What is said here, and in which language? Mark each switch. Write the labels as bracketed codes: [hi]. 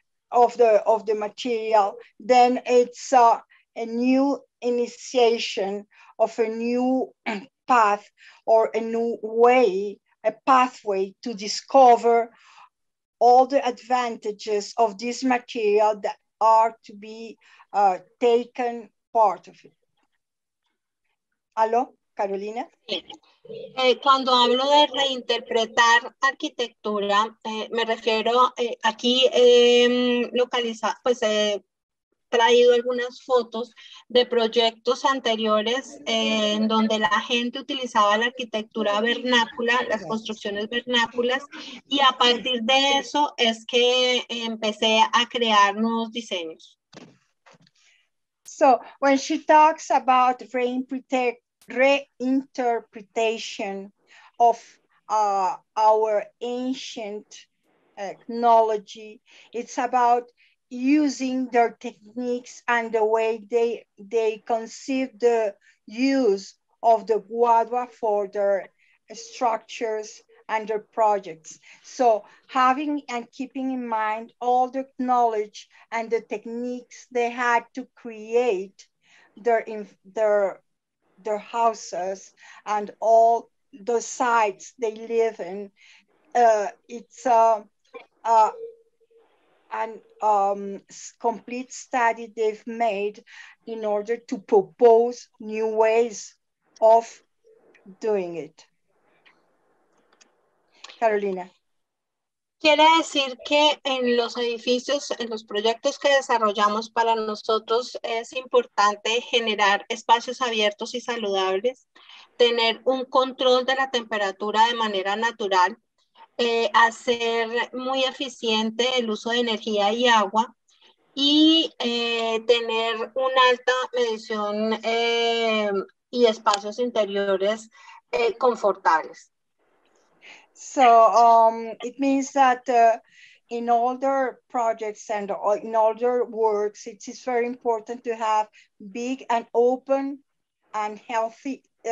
[en] of the material, then it's a new initiation of a new path or a new way, a pathway to discover all the advantages of this material that are to be taken part of it. Hello, Carolina. [es] Cuando hablo de reinterpretar arquitectura, me refiero aquí localizar, pues traído algunas fotos de proyectos anteriores en donde la gente utilizaba la arquitectura vernácula, las construcciones vernáculas, y a partir de eso es que empecé a crear nuevos diseños. [en] So, when she talks about reinterpretation of our ancient technology, it's about using their techniques and the way they conceive the use of the guadua for their structures and their projects. So having and keeping in mind all the knowledge and the techniques they had to create their houses and all the sites they live in, it's complete study they've made in order to propose new ways of doing it. Carolina. [es] Quiere decir que en los edificios, en los proyectos que desarrollamos para nosotros, es importante generar espacios abiertos y saludables, tener un control de la temperatura de manera natural, hacer muy eficiente el uso de energía y agua, y tener una alta medición y espacios interiores confortables. [en] So it means that in all their projects and in all their works, it is very important to have big and open and healthy